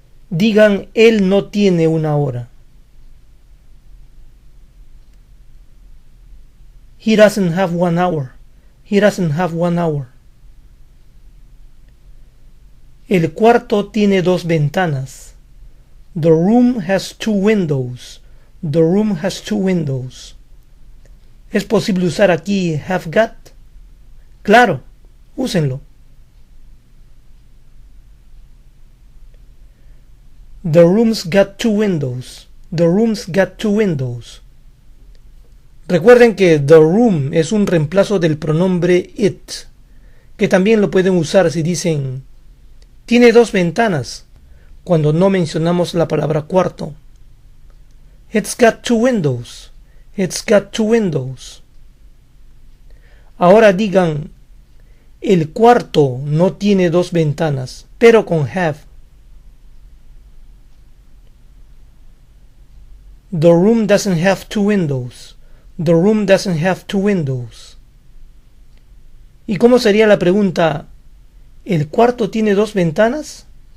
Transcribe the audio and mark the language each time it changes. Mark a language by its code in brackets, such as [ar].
[es] Digan, él no tiene una hora. [en] He doesn't have 1 hour. He doesn't have 1 hour. [es] El cuarto tiene dos ventanas. [en] The room has two windows. The room has two windows. [es] ¿Es posible usar aquí have got? Claro, úsenlo. [en] The room's got two windows. The room's got two windows. [es] Recuerden que the room es un reemplazo del pronombre it, que también lo pueden usar si dicen tiene dos ventanas, cuando no mencionamos la palabra cuarto. [en] It's got two windows. It's got two windows. [es] Ahora digan, el cuarto no tiene dos ventanas, pero con have. [en] The room doesn't have two windows. The room doesn't have two windows. [es] ¿Y cómo sería la pregunta? ¿El cuarto tiene dos ventanas?